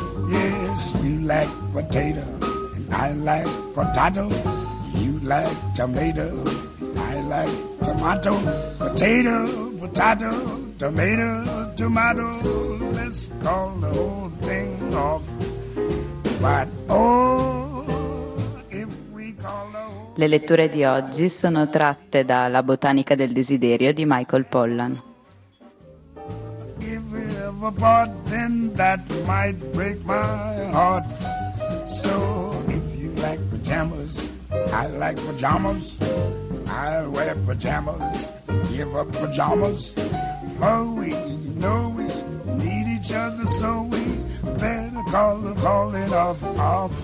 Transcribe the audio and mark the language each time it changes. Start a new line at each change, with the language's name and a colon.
English: Yes, you like potato, and I like potato. You like tomato, and I like tomato. Potato, potato, tomato, tomato. Let's call the whole thing off. But oh, if we call the whole...
Italian: Le letture di oggi sono tratte da La botanica del desiderio di Michael Pollan.
English: If we ever part, then that might break my heart. So if you like pajamas, I like pajamas. I'll wear pajamas, give up pajamas. For we know we need each other, so we better call it off, off.